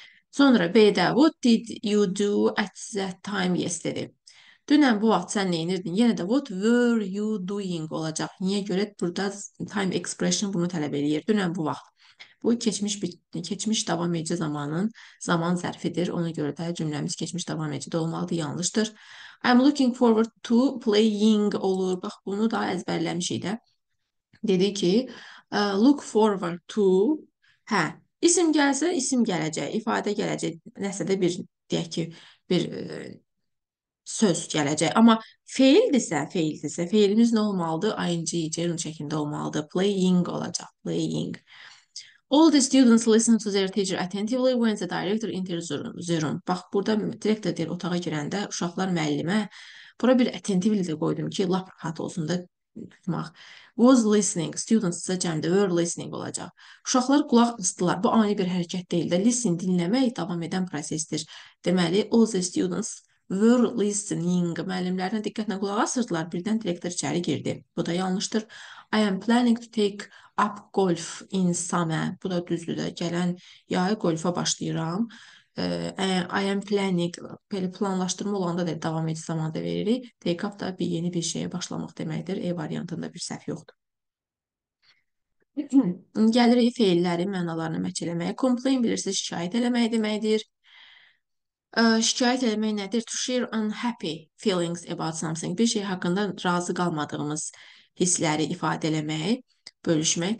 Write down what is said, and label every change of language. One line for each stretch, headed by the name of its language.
Azerbaijani: Sonra B-də
English: what did you do at that time yesterday?
Azerbaijani: Dünən bu vaxt sən neynirdin? Yenə də
English: what were you doing
Azerbaijani: olacaq. Niyə görə? Burada time expression bunu tələb eləyir. Dünən bu vaxt. Bu keçmiş davam edici zamanın zaman zərfidir. Ona görə də cümləmiz keçmiş davam edici olmalıdır, yanlışdır.
English: I'm looking forward to playing
Azerbaijani: olur. Bax, bunu da əzbərləmişik də. Dedi ki, look forward to. Hə, isim gəlsə, isim gələcək, ifadə gələcək, nəsə də bir, deyək ki, bir söz gələcək. Amma feildirsə, feilimiz nə olmalıdır? ING, gerund şəklində olmalıdır. Playing olacaq, playing.
English: All the students listen to their teacher attentively when the director enters the room.
Azerbaijani: Bax, burada direktor deyir, otağa girəndə uşaqlar müəllimə, bura bir attentively də qoydum ki, lap rahat olsun da. Bax, was listening, students isə cəmdə were listening olacaq. Uşaqlar qulaq asdılar. Bu ani bir hərəkət deyil də, listen dinləmək davam edən prosesdir. Deməli,
English: all the students were listening.
Azerbaijani: Müəllimlərinə diqqətlə qulaq asırdılar, birdən direktor içəri girdi. Bu da yanlışdır.
English: I am planning to take up golf in summer.
Azerbaijani: Bu da düzdür də, gələn yay golfa başlayıram. I am planning, belə planlaşdırma olanda da davam edici zamanda veririk. Take up da bir yeni bir şeyə başlamaq deməkdir. E variantında bir səhv yoxdur. Gəlirik feillərin mənalarını məhk eləməyə. Complain bilirsiniz, şikayət eləmək deməkdir. Şikayət eləmək nədir?
English: To share unhappy feelings about something.
Azerbaijani: Bir şey haqqında razı qalmadığımız hissləri ifadə eləmək, bölüşmək.